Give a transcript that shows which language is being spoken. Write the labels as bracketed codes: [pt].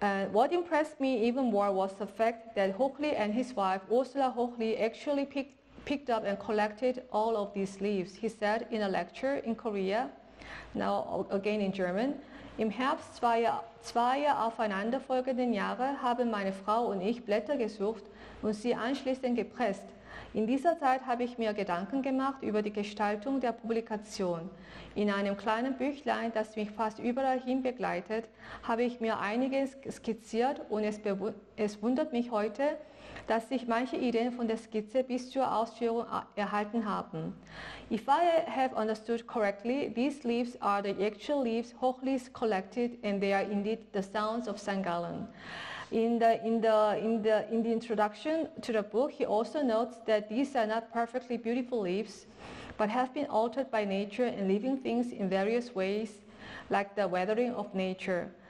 [en] What impressed me even more was the fact that Hochuli and his wife, Ursula Hochuli, actually picked up and collected all of these leaves, he said in a lecture in Korea, now again in German. [de] Im Herbst zweier aufeinander folgenden Jahre haben meine Frau und ich Blätter gesucht und sie anschließend gepresst. In dieser Zeit habe ich mir Gedanken gemacht über die Gestaltung der Publikation. In einem kleinen Büchlein, das mich fast überall hin begleitet, habe ich mir einiges skizziert und es wundert mich heute, dass sich manche Ideen von der Skizze bis zur Ausführung erhalten haben. [en] If I have understood correctly, these leaves are the actual leaves Hochuli collected and they are indeed the sounds of St.Gallen. In the introduction to the book, he also notes that these are not perfectly beautiful leaves, but have been altered by nature and living things in various ways, like the weathering of nature.